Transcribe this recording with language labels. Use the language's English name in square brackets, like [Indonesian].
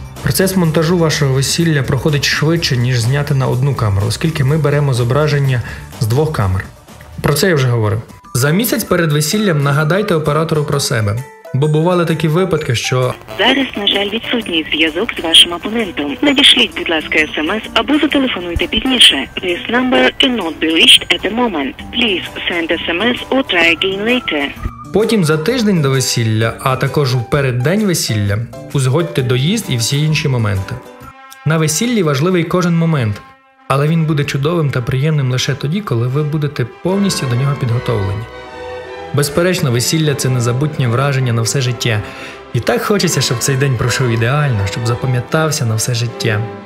[Ukrainian] Процес монтажу вашого весілля проходить швидше, ніж зняти на одну камеру, оскільки ми беремо зображення з 2 камер. Про це я вже говорив. За місяць перед весіллям нагадайте оператору про себе. Бо бували такі випадки, що зараз, на жаль, відсутній зв'язок з вашим абонентом. Надішліть, будь ласка, смс або зателефонуйте пізніше. [English] This number cannot be reached at the moment. Please send SMS or try again later. [Ukrainian] Потім за тиждень до весілля, а також у переддень весілля, узгодьте доїзд і всі інші моменти. На весіллі важливий кожен момент, але він буде чудовим та приємним лише тоді, коли ви будете повністю до нього підготовлені. Безперечно, весілля – це незабутнє враження на все життя. І так хочеться, щоб цей день пройшов ідеально, щоб запам'ятався на все життя.